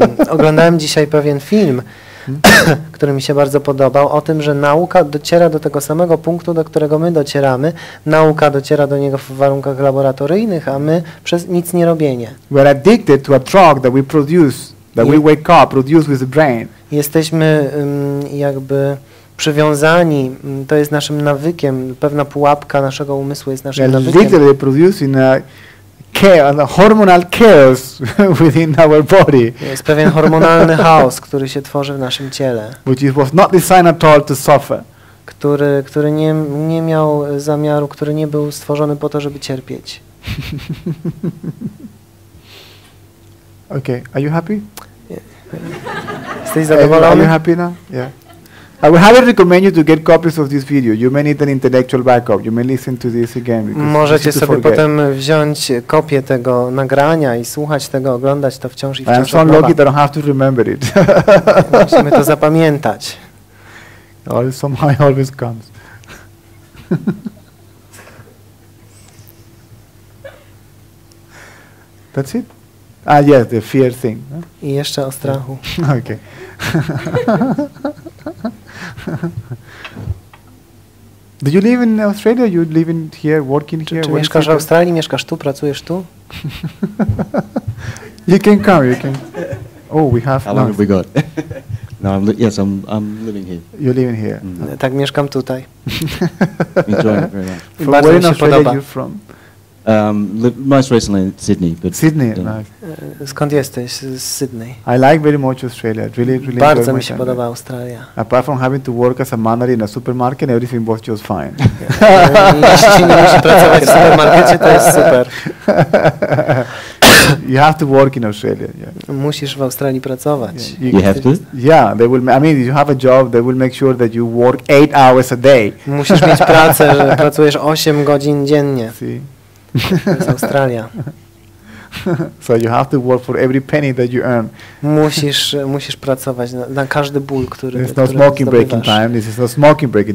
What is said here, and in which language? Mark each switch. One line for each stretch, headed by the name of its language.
Polish: Oglądałem dzisiaj pewien film, który mi się bardzo podobał, o tym, że nauka dociera do tego samego punktu, do którego my docieramy. Nauka dociera do niego w warunkach laboratoryjnych, a my przez nic nie robienie.
English: We are addicted to a drug that we produce, that we wake up, produce with the brain.
Polish: Jesteśmy jakby przywiązani, to jest naszym nawykiem, pewna pułapka naszego umysłu jest naszym nawykiem.
English: Literally producing a hormonal chaos within our body.
Polish: Jest pewien hormonalny chaos, który się tworzy w naszym ciele.
English: Which it was not designed at all to suffer.
Polish: Który nie miał zamiaru, który nie był stworzony po to, żeby cierpieć.
English: Okay, are you happy?
Polish: Jesteś zadowolony?
English: Are you happy now? Yeah. I would highly recommend you to get copies of this video. You may need an intellectual backup. You may listen to this again.
Polish: Możecie sobie potem wziąć kopię tego nagrania i słuchać tego, oglądać to wciąż i wciąż.
English: I'm so lucky that I don't have to remember it.
Polish: Musimy to zapamiętać.
English: Or somehow it always comes. That's it? Ah, yes, the fear thing. No?
Polish: I jeszcze o strachu.
English: Okay. Do you live in Australia? You live in here, working here?
Polish: Czy mieszkasz w Australii? Mieszkasz tu? Pracujesz tu?
English: You can come, you can. Oh, we have... How long have we got? No, I'm living here. You're living here.
Polish: Mm-hmm. Tak, mieszkam tutaj.
English: Enjoying it very much. Where in Australia are you from? Most recently in Sydney. But Sydney, right.
Polish: Skąd jesteś? Z Sydney.
English: I like very much Australia. Really, really
Polish: bardzo
English: enjoy
Polish: my się
English: country.
Polish: Podoba Australia.
English: Apart from having to work as a manager in a supermarket, everything was just fine.
Polish: Jeśli nie musisz pracować w supermarkecie, to jest super.
English: You have to work in Australia. Yeah.
Polish: Musisz w Australii pracować.
English: Yeah. You have to? Yeah, they will. I mean, you have a job, they will make sure that you work 8 hours a day.
Polish: Musisz mieć pracę, że pracujesz 8 godzin dziennie.
English: See?
Polish: To jest Australia.
English: So you have to work for every penny that you earn.
Polish: Musisz pracować na każdy ból, który zdobywasz.
English: This is not smoking break time. This is not smoking break.